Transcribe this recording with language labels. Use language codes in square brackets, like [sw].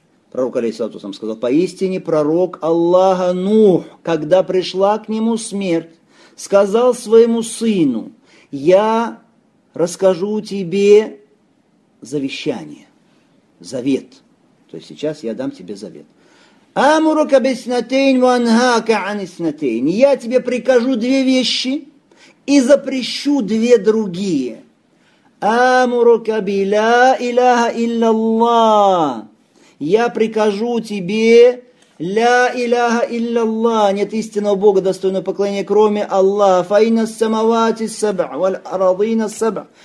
[ru] Пророк алейхиссалату вассалям сказал: поистине пророк Аллаха Нух, когда пришла к нему смерть, сказал своему сыну: я расскажу тебе завещание, завет. То есть сейчас я дам тебе завет. [ar] أمرك بسنتين وأنهاك عن سنتين. [ru] Я тебе прикажу две вещи и запрещу две другие. [ar] Амурука биля иляха илляллах. [ru] Я прикажу тебе ля иляха илляллах. Нет истинного Бога, достойного поклонения, кроме Аллаха. [ar] Файна самавати саба, валь арадина саба.